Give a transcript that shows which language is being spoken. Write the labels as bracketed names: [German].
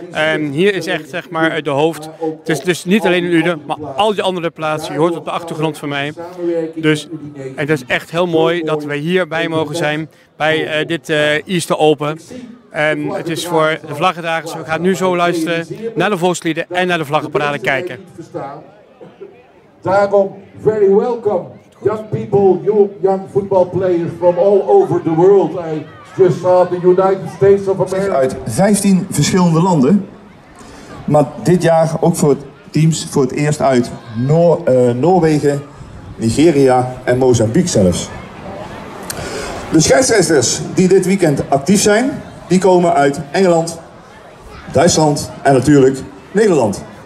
[Dutch] En hier is echt zeg maar de hoofd. Het is dus niet alleen in Uden, maar al die andere plaatsen. Je hoort op de achtergrond van mij. Dus het is echt heel mooi dat we hierbij mogen zijn bij dit Easter Open. En het is voor de vlaggendragers. We gaan nu zo luisteren naar de volkslieden en naar de vlaggenparade kijken. [English] Daarom, very welcome, young people, young football players from all over the world. I just saw the United States of America. [Dutch] Uit 15 verschillende landen, maar dit jaar ook voor teams voor het eerst uit Noorwegen, Nigeria en Mozambique zelfs. De scheidsrechters die dit weekend actief zijn, die komen uit Engeland, Duitsland en natuurlijk Nederland.